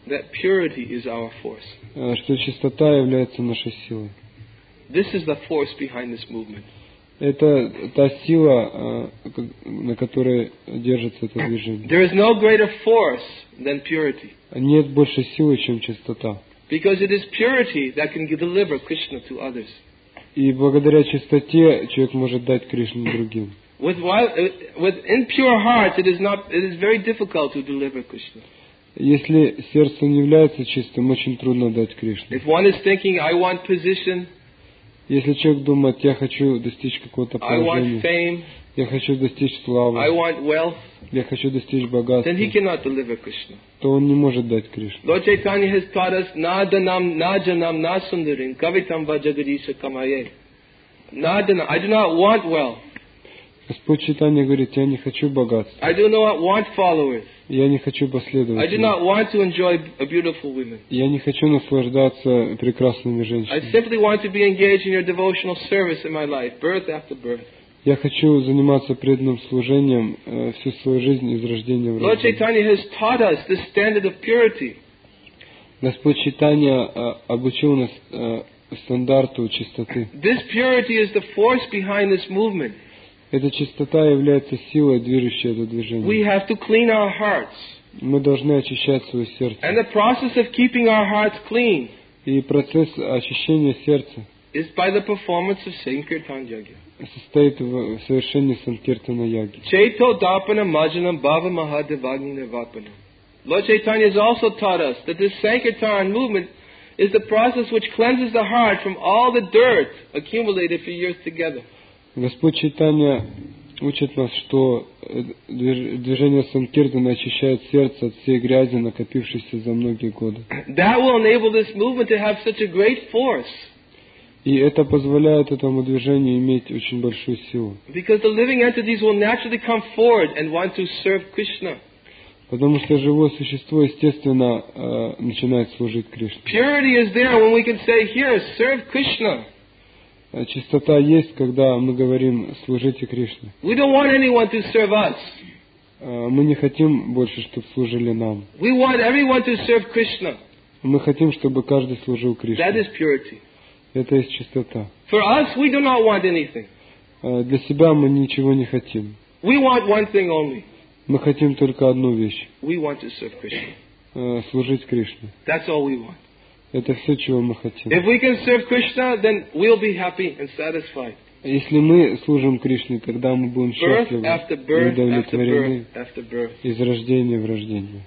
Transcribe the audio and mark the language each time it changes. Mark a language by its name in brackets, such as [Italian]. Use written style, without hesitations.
[English] that purity is our force. [Russian] Что чистота является нашей силой. [English] This is the force behind this movement. [Russian] Это та сила, на которой держится это движение. [English] There is no greater force than purity. [Russian] Нет большей силы, чем чистота. [English] Because it is purity that can deliver Krishna to others. [Russian] И благодаря чистоте человек может дать Кришну другим. [English] With impure hearts, it is very difficult to deliver Krishna. [Russian] Если сердце не является чистым, очень трудно дать Кришну. [English] If one is thinking, I want position. [Russian] Если человек думает, я хочу достичь какого-то положения. [English] I want fame. [Russian] Я хочу достичь славы. [English] I want wealth. [Russian] Я хочу достичь богатства. [English] Then he cannot deliver Krishna. [Russian] То он не может дать Кришну. [English] Lord Chaitanya has taught us, [Sanskrit] nādanam, nājanam, nāsundarin, kavitam vajagadisha kamaye. [English] Nādanam, I do not want wealth. [Russian] Господь Читания говорит, я не хочу богатства. [English] I do not want followers. [Russian] Я не хочу последователей. [English] I do not want to enjoy beautiful women. [Russian] Я не хочу наслаждаться прекрасными женщинами. [English] I simply want to be engaged in your devotional service in my life, birth after birth. [Russian] Я хочу заниматься преданным служением всю свою жизнь, из рождения в рождение. [English] Lord Chaitanya has taught us the standard of purity. [Russian] Господь Читания обучил нас стандарту чистоты. [English] This purity is the force behind this movement. [Russian] Эта чистота является силой, движущей это движение. [English] We have to clean our hearts. [Russian] Мы должны очищать свое сердце. [English] And the process of keeping our hearts clean. [Russian] И процесс очищения сердца. [English] Is by the performance of Sankirtan Yagya. [Russian] Состоит в совершении Санкиртана Яги. [Sanskrit] Чейто дапана маджанам бава махадевагни нирвапана. [English] Lord Chaitanya has also taught us that this Sankirtan movement is the process which cleanses the heart from all the dirt accumulated for years together. [Russian] Господь Чайтанья учит нас, что движение Санкиртана очищает сердце от всей грязи, накопившейся за многие годы. [English] That will enable this movement to have such a great force. [Russian] И это позволяет этому движению иметь очень большую силу. [English] Because the living entities will naturally come forward and want to serve Krishna. [Russian] Потому что живое существо естественно начинает служить Кришне. [English] Purity is there when we can say, here, serve Krishna. [Russian] Чистота есть, когда мы говорим «служите Кришне». [English] We don't want anyone to serve us. [Russian] Мы не хотим больше, чтобы служили нам. [English] We want everyone to serve Krishna. [Russian] Мы хотим, чтобы каждый служил Кришне. [English] That is purity. [Russian] Это есть чистота. [English] For us, we do not want anything. [Russian] Для себя мы ничего не хотим. [English] We want one thing only. [Russian] Мы хотим только одну вещь. [English] We want to serve Krishna. [Russian] Служить Кришне. [English] That's all we want. [Russian] Это все, чего мы хотим. [English] If we can serve Krishna, then we'll be happy and satisfied. [Russian] Если мы служим Кришне, тогда мы будем счастливы, удовлетворены из рождения в рождение.